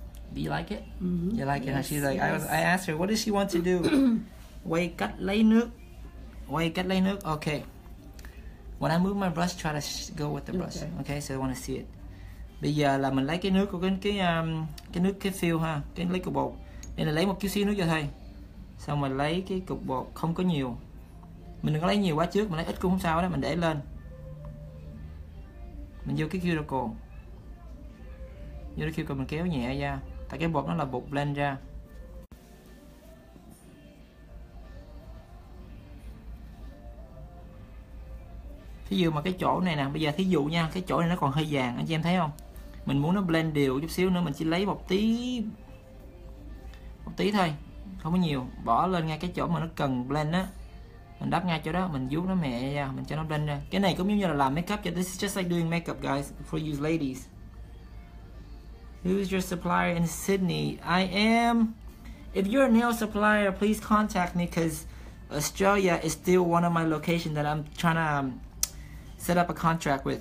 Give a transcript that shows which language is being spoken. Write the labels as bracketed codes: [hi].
[en] Do you like it? Mm-hmm. You like it? Yes, she's like, yes. I asked her, what does she want to do? [vi] Quay cắt lấy nước. [en] Okay. When I move my brush, try to go with the brush. Okay, so I want to see it. [vi] Bây giờ là mình lấy cái nước của cái nước cái fill ha, cái lấy cục bột. Nên là lấy một chút xíu nước cho thôi. Xong mình lấy cái cục bột không có nhiều. Mình đừng có lấy nhiều quá trước, mình lấy ít cũng không sao đó, mình để lên. Mình vô cái cuticle. Vô cái cuticle mình kéo nhẹ ra. Tại cái bột nó là bột blend ra. Thí dụ mà cái chỗ này nè, bây giờ thí dụ nha, cái chỗ này nó còn hơi vàng, anh chị em thấy không? Mình muốn nó blend đều chút xíu nữa, mình chỉ lấy một tí thôi, không có nhiều. Bỏ lên ngay cái chỗ mà nó cần blend á, mình đắp ngay chỗ đó, mình vuốt nó mẹ ra, mình cho nó blend ra. Cái này cũng giống như là làm makeup cho. [en] This is just like doing makeup, guys, for you ladies. Who's your supplier in Sydney? I am. If you're a nail supplier, please contact me, because Australia is still one of my locations that I'm trying to set up a contract with.